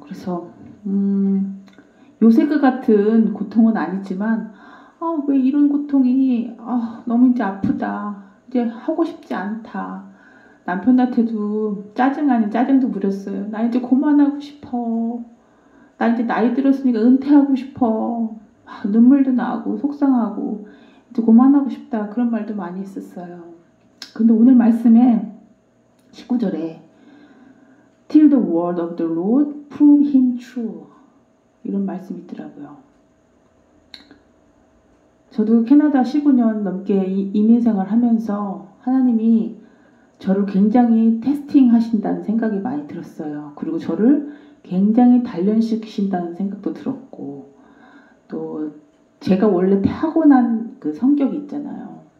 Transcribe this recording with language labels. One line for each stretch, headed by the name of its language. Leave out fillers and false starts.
Korean: 그래서 요셉과 같은 고통은 아니지만 왜 이런 고통이 너무 이제 아프다 이제 하고 싶지 않다 남편한테도 짜증 아닌 짜증도 부렸어요. 나 이제 그만하고 싶어. 나 이제 나이 들었으니까 은퇴하고 싶어. 막 눈물도 나고 속상하고 이제 그만하고 싶다. 그런 말도 많이 했었어요. 근데 오늘 말씀에 19절에
English: Till the word of the Lord prove him true.
Korean: 이런 말씀이 있더라고요. 저도 캐나다 15년 넘게 이민 생활 하면서 하나님이 저를 굉장히 테스팅 하신다는 생각이 많이 들었어요. 그리고 저를 굉장히 단련시키신다는 생각도 들었고, 또 제가 원래 타고난 그 성격이 있잖아요.